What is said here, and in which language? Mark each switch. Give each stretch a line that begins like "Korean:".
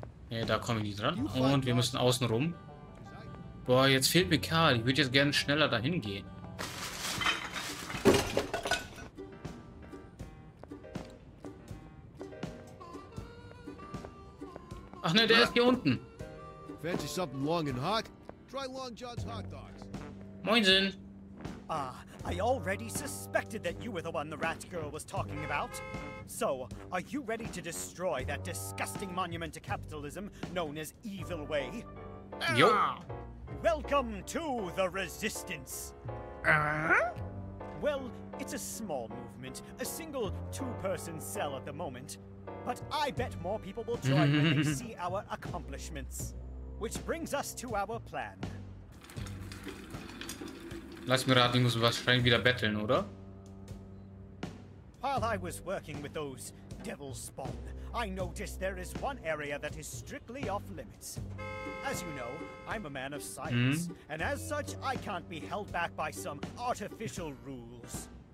German: Nee, da komme ich nicht dran. Und wir müssen außen rum. Boah, jetzt fehlt mir Karl. Ich würde jetzt gerne schneller dahin gehen. Ach ne, der ist hier unten.
English: Fancy something long and hot? Try Long John's hot dogs.
German: Moinsen.
English: Ah, I already suspected that you were the one the rat girl was talking about. So, are you ready to destroy that disgusting monument to capitalism known as EvilWay?
German: Jo.
English: Welcome to the resistance. Well, it's a small movement, a single two-person cell at the moment. But I bet more people will join when they see our accomplishments. Which brings us to our plan.
German: Lass mir raten, ich muss wahrscheinlich wieder betteln, oder?
English: While I was working with those devil spawn, I noticed there is one area that is strictly off limits. As you know, I'm a man of science, and as such, I can't be held back by some artificial rules.